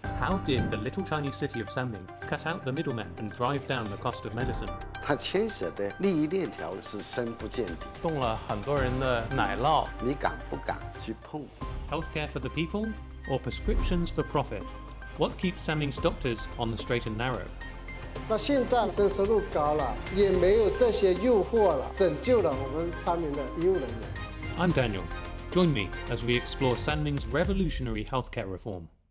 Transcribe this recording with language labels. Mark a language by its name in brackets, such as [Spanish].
[English] How did the little Chinese city of Sanming cut out the middleman and drive down the cost of medicine? [Chinese] 它牵涉的利益链条是深不见底，动了很多人的奶酪，你敢不敢去碰 [English] ？Healthcare for the people or prescriptions for profit? What keeps Sanming's doctors on the straight and narrow? [Chinese] 那现在医生收入高了，也没有这些诱惑了，拯救了我们三名的医务人员。 [English] I'm Daniel. Join me as we explore Sanming's revolutionary healthcare reform.